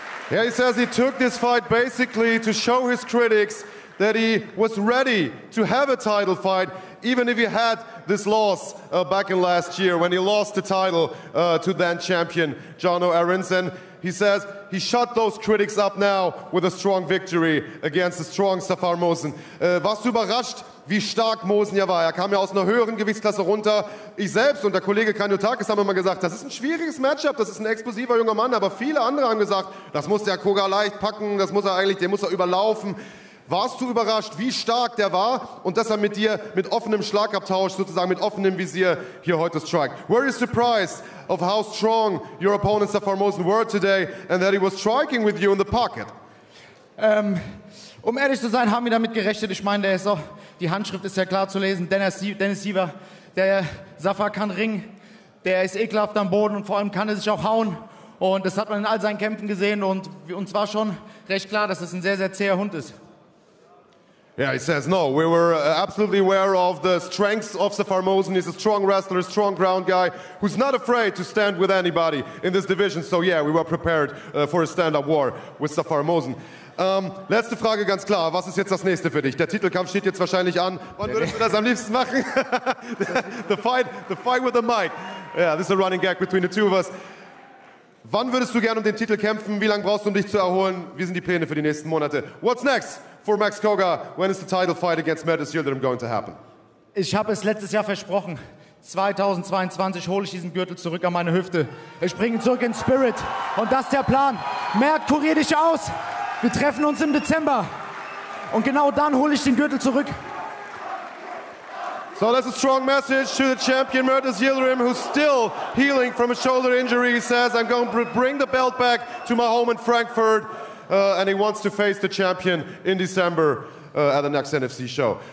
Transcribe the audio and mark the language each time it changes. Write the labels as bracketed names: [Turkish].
[English] Yeah, he says he took this fight basically to show his critics that he was ready to have a title fight, even if he had this loss back in last year when he lost the title to then champion Jarno Aronson. He says he shut those critics up now with a strong victory against a strong Zafar Mosen. [German] Warst du überrascht, wie stark Mosen ja war? Er kam ja aus einer höheren Gewichtsklasse runter. Ich selbst und der Kollege Kanyotakis haben immer gesagt, das ist ein schwieriges Matchup, das ist ein explosiver junger Mann. Aber viele andere haben gesagt, das muss der Koga leicht packen, das muss er eigentlich, den muss er überlaufen. Warst du überrascht, wie stark der war und dass er mit dir mit offenem Schlagabtausch, sozusagen mit offenem Visier, hier heute strikt? [English] Were you surprised of how strong your opponent Zafar Mosen were today and that he was striking with you in the pocket? [German] Um ehrlich zu sein, haben wir damit gerechnet. Ich meine, der ist auch, die Handschrift ist ja klar zu lesen. Dennis Siever, der Zafar kann ringen, der ist ekelhaft am Boden und vor allem kann er sich auch hauen. Und das hat man in all seinen Kämpfen gesehen und uns war schon recht klar, dass es ein sehr, sehr zäher Hund ist. [English] Yeah, he says, no, we were absolutely aware of the strengths of Zafar Mosen. He's a strong wrestler, a strong ground guy, who's not afraid to stand with anybody in this division. So yeah, we were prepared for a stand-up war with Zafar Mosen. [German] Letzte Frage, ganz klar, was ist jetzt das nächste für dich? Der Titelkampf steht jetzt wahrscheinlich an. Wann würdest du das am liebsten machen? [English] the fight with the mic. Yeah, this is a running gag between the two of us. [German] Wann würdest du gerne um den Titel kämpfen? Wie lange brauchst du, um dich zu erholen? Wie sind die Pläne für die nächsten Monate? [English] What's next for Max Koga? When is the title fight against Mattis Yildirim going to happen? [German] Ich habe es letztes Jahr versprochen. 2022 hole ich diesen Gürtel zurück an meine Hüfte. Ich bringe ihn zurück in Spirit. Und das ist der Plan. Merk, kurier dich aus. Wir treffen uns im Dezember. Und genau dann hole ich den Gürtel zurück. [English] So that's a strong message to the champion Mattis Yildirim, who's still healing from a shoulder injury. He says, I'm going to bring the belt back to my home in Frankfurt. And he wants to face the champion in December at the next NFC show.